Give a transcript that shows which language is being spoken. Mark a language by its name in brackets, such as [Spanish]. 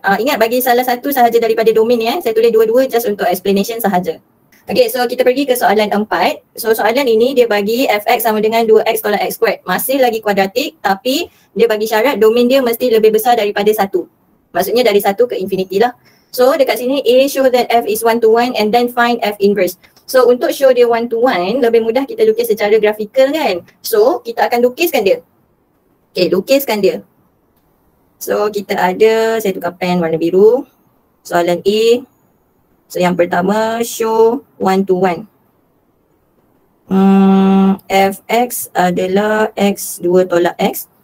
[Malay] Ingat bagi salah satu sahaja daripada domain ni eh. Saya tulis dua-dua just untuk explanation sahaja. Okay, so kita pergi ke soalan 4. So, soalan ini dia bagi fx sama dengan 2x kalau x squared. Masih lagi kuadratik tapi dia bagi syarat domain dia mesti lebih besar daripada 1. Maksudnya dari 1 ke infinity lah. [English] So, [Malay] dekat sini [English] A show that f is 1 to 1 and then find f inverse. [Malay] So, untuk show dia 1 to 1, lebih mudah kita lukis secara grafikal kan? So, kita akan lukiskan dia. Okay, lukiskan dia. So, kita ada, saya tukar pen warna biru. Soalan A. So yang pertama, show 1 to 1. Fx adalah x 2 tolak x.